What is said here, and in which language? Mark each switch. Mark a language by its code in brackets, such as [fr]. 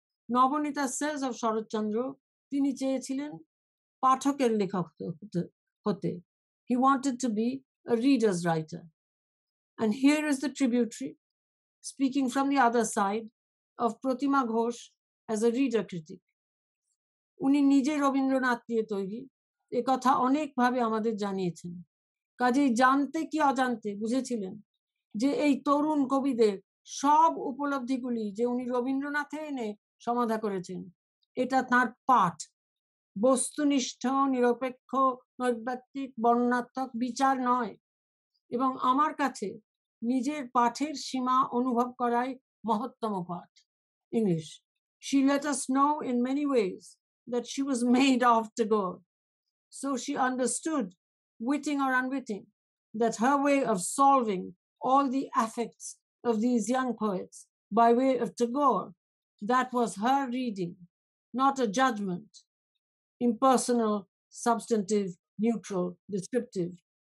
[en] Nabaneeta says of Sharatchandra, [bn] tini cheyechilen pathoker lekhok hote. [en] He wanted to be a reader's writer. And here is the tributary, speaking from the other side, of Pratima Ghosh as a reader critic. [bn] উনি নিজে রবীন্দ্রনাথ দিয়ে তৈরি একথা অনেকভাবে আমাদের জানিয়েছেন কাজেই জানতে কি অজান্তে বুঝেছিলেন যে এই তরুণ কবিদের সব উপলব্ধিগুলি যে উনি রবীন্দ্রনাথে এনে সমাধা করেছেন এটা তাঁর পাঠ বস্তুনিষ্ঠ নিরপেক্ষ নৈর্ব্যক্তিক বর্ণাত্মক বিচার নয় এবং আমার কাছে নিজের পাঠের সীমা অনুভব করাই মহত্তম পাঠ [en] English she let us know in many ways that she was made of Tagore. So she understood, witting or unwitting, that her way of solving all the affects of these young poets by way of Tagore, that was her reading, not a judgment, impersonal, substantive, neutral, descriptive.